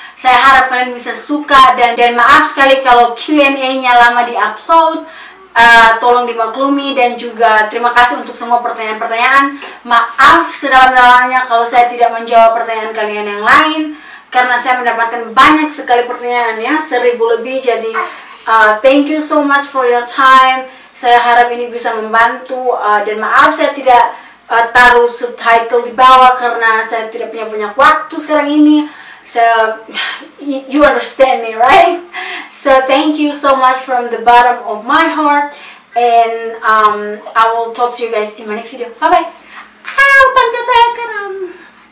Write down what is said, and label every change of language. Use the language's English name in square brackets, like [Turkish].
[Indonesian] Saya harap kalian bisa suka, dan maaf sekali kalau Q&A-nya lama di-upload. Tolong dimaklumi, dan juga terima kasih untuk semua pertanyaan-pertanyaan. Maaf sedalam-dalamnya kalau saya tidak menjawab pertanyaan kalian yang lain, karena saya mendapatkan banyak sekali pertanyaan, ya, 1000 lebih. Jadi [English] thank you so much for your time. [Indonesian] Saya harap ini bisa membantu, dan maaf saya tidak taruh subtitle di bawah karena saya tidak punya banyak waktu sekarang ini. [English] So, you understand me, right? So, thank you so much from the bottom of my heart. And I will talk to you guys in my next video. Bye-bye.